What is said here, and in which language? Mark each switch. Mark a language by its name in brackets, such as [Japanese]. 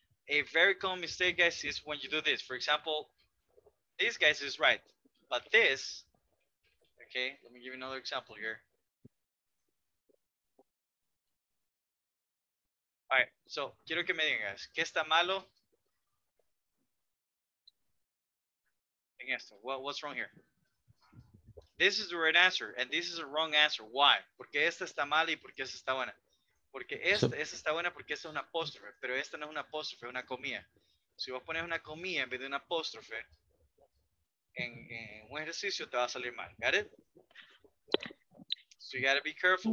[English] A very common mistake, guys, is when you do this. For example, this, guys, is right. But this, okay, let me give you another example here. All right, so, [Spanish] quiero que me digan, guys, ¿qué está malo? En esto, [English] what's wrong here? This is the right answer, and this is a wrong answer. Why? [Spanish] Porque esta está mala y porque esta está buena. Porque esta está buena porque esta es una apóstrofe, pero esta no es una apóstrofe, es una comilla. Si vos pones una comilla en vez de una apóstrofe, en un ejercicio te va a salir mal. [English] Got it? So you gotta be careful.